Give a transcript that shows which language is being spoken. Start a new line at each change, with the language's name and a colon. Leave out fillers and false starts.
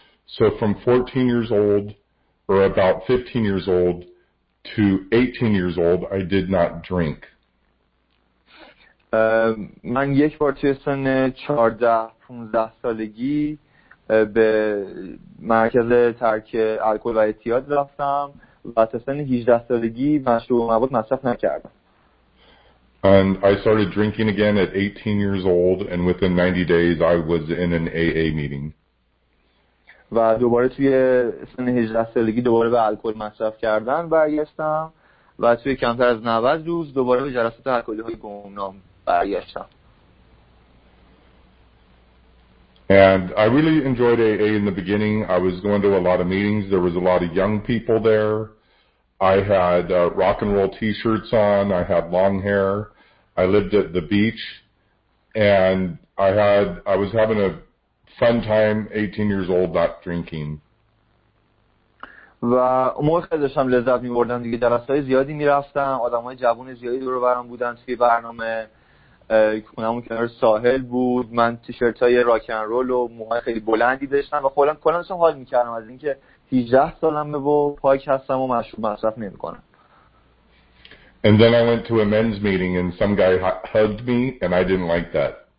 English: So from 14 years old or about 15 years old to 18 years old I did not drink.
Persian: من یک بار توی سن 14-15 سالگی به مرکز ترک الکل و اعتیاد رفتم و تا سن 18 سالگی مشروب مواد مصرف نکردم.
English: And I started drinking again at 18 years old and within 90 days I was in an AA meeting.
Persian: و دوباره توی سن 18 سالگی دوباره به الکل مصرف کردن برگشتم و توی کمتر از 90 روز دوباره به جلسات الکلی‌های گمنام برگشتم.
English: And I really enjoyed AA in the beginning. I was going to a lot of meetings. There was a lot of young people there. I had rock and roll t-shirts on. I had long hair. I lived at the beach. And I was having a fun time, 18 years old, not drinking.
Persian: و اون موقع خیلی داشتم لذت می‌بردم دیگه، جلسات زیادی می‌رفتم، آدم‌های جوان زیادی دور و برم بودن توی برنامه، خونمون کنار ساحل بود، من تیشرت‌های راک اند رول و موهای خیلی بلندی داشتم و کلا داشتم حال می‌کردم از اینکه 18 سالمه و پاک هستم و مشروب مصرف نمی‌کنم.
English: And then I went to a men's meeting and some guy hugged me and I didn't like that.